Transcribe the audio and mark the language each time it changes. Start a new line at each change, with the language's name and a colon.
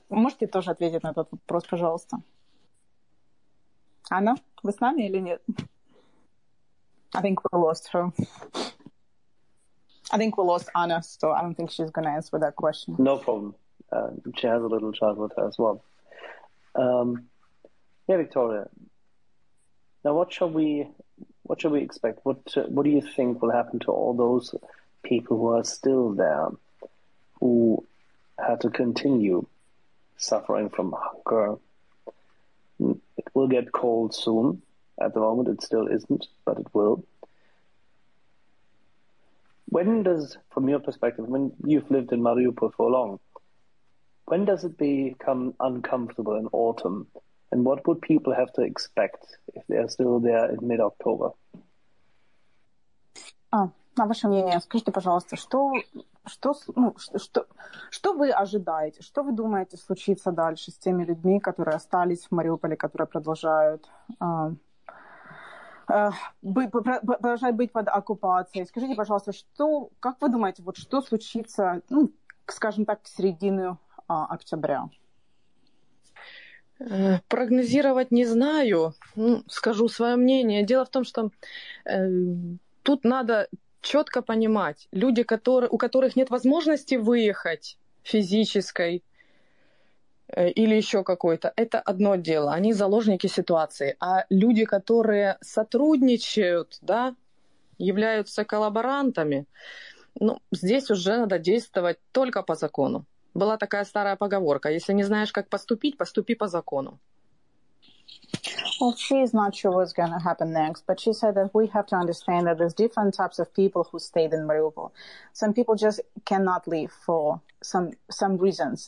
Russian: можете тоже ответить на этот вопрос, пожалуйста? Anna, вы с нами или нет?
English: I think we lost Anna, so I don't think she's going to answer that question. No problem. She has a little child with her as well. Victoria. Now, what shall we expect? What do you think will happen to all those people who are still there, who had to continue suffering from hunger? It will get cold soon. At the moment, it still isn't, but it will. When does, from your perspective, when you've lived in Mariupol for long, when does it become uncomfortable in autumn? And what would people have to expect if they are still there in mid-October?
Russian: На ваше мнение, скажите, пожалуйста, что вы ожидаете? Что вы думаете случится дальше с теми людьми, которые остались в Мариуполе, которые продолжают продолжать быть под оккупацией? Скажите, пожалуйста, как вы думаете, вот что случится, ну, скажем так, в середину октября? Прогнозировать не знаю, скажу свое мнение. Дело в том, что тут надо четко понимать, люди, у которых нет возможности выехать физической или еще какой-то, это одно дело, они заложники ситуации. А люди, которые сотрудничают, да, являются коллаборантами, ну, здесь уже надо действовать только по закону. Была такая старая поговорка: если не знаешь, как поступить, поступи по закону.
English: Well, she's not sure what's going to happen next, but she said that we have to understand that there's different types of people who stayed in Mariupol. Some people just cannot leave for some reasons.